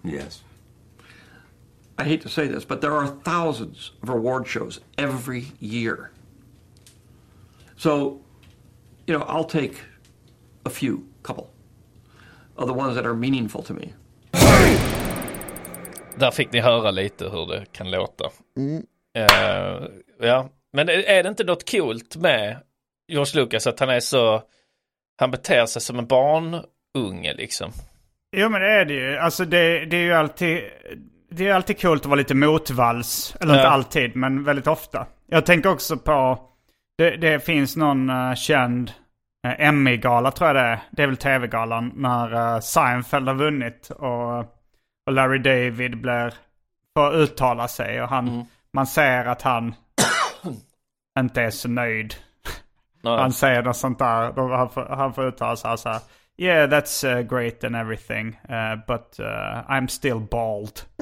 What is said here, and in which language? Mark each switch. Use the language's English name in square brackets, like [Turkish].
[English] Yes. I hate to say this, but there are thousands of award shows every year. So, you know, I'll take a few, couple of the ones that are meaningful to me. [Swedish] Där fick ni höra lite hur det kan låta. Mm. Ja, men är det inte något coolt med George Lucas att han är så, han beter sig som en barnunge liksom? Jo, men det är det ju. Alltså det är ju alltid, det är alltid coolt att vara lite motvalls, eller inte alltid, men väldigt ofta. Jag tänker också på, det finns någon känd Emmy-gala, tror jag det är. Det är väl TV-galan, när Seinfeld har vunnit och Larry David blir, får uttala sig, och han, man ser att han inte är så nöjd. Nej. Han säger något sånt där, han får uttala sig så här. [English] Yeah, that's great and everything, but I'm still bald.